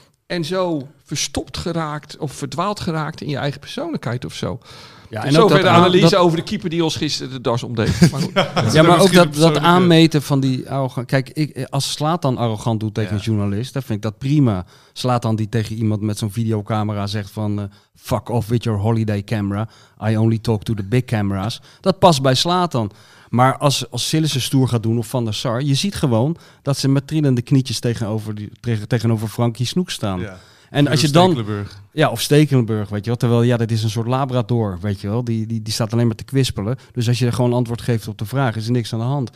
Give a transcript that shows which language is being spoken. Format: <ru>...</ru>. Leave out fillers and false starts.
<nl>En zo verstopt geraakt of verdwaald geraakt in je eigen persoonlijkheid of zo. Ja, en zover de analyse over de keeper die ons gisteren de das omdeed. Maar ook dat aanmeten van die arrogant. Kijk, als Zlatan arrogant doet tegen een journalist, dan vind ik dat prima. Zlatan die tegen iemand met zo'n videocamera zegt van...</nl> <en>fuck off with your holiday camera. I only talk to the big cameras.</en> <nl>Dat past bij Zlatan. Maar als Sillissen stoer gaat doen of Van der Sar... je ziet gewoon dat ze met trillende knietjes tegenover Frankie Snoek staan. Ja. En als je dan, of Stekelenburg, weet je wel. Terwijl, dat is een soort labrador, weet je wel. Die staat alleen maar te kwispelen. Dus als je gewoon antwoord geeft op de vraag, is er niks aan de hand.</nl>